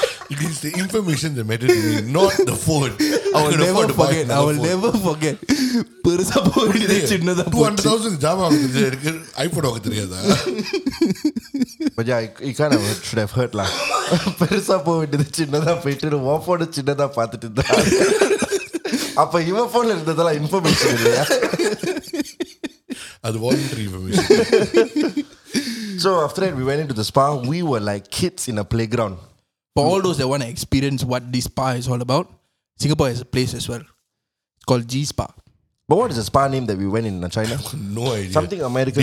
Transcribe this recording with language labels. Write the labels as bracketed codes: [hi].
[en] it is the information that mattered to me, not the phone. I will never forget. [ta] பெருசா போயிடுச்சு சின்னதா போயிடுச்சு. 200,000 ஜாமா இருக்கு ஐபோன் வாங்க தெரியாதா? [en] But yeah, it kind of should have hurt lah. [ta] பெருசா போயிடுச்சு சின்னதா போயிட்டு ஓபோட சின்னதா பார்த்துட்டு இருந்தா அப்ப இவ போன்ல இருந்ததெல்லாம் இன்ஃபர்மேஷன் இல்லையா? அது voluntary information. [en] So after that, we went into the spa. We were like kids in a playground. For all those that want to experience what this spa is all about, Singapore has a place as well. It's called G Spa. But what is the spa name that we went in China? No idea. Something American